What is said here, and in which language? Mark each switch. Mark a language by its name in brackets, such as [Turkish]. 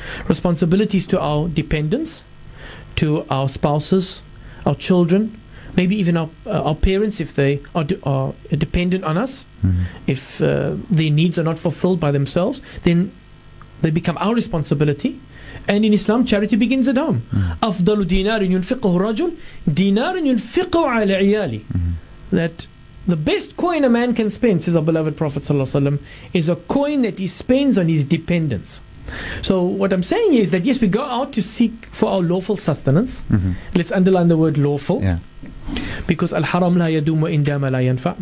[English] Responsibilities to our dependents, to our spouses, our children, maybe even our parents if they are dependent on us. Mm-hmm. If their needs are not fulfilled by themselves, then they become our responsibility. And in Islam, charity begins at home. [Arabic] أَفْضَلُ دِينَارٍ يُنْفِقُهُ رَجُلٍ دِينَارٍ يُنْفِقُهُ عَلَى عِيَالِ. [English] That the best coin a man can spend, says our beloved Prophet ﷺ, is a coin that he spends on his dependents. So what I'm saying is that yes, we go out to seek for our lawful sustenance. Mm-hmm. Let's underline the word lawful. Yeah. Because [Arabic] al-haram la yadum wa indama la yanfa.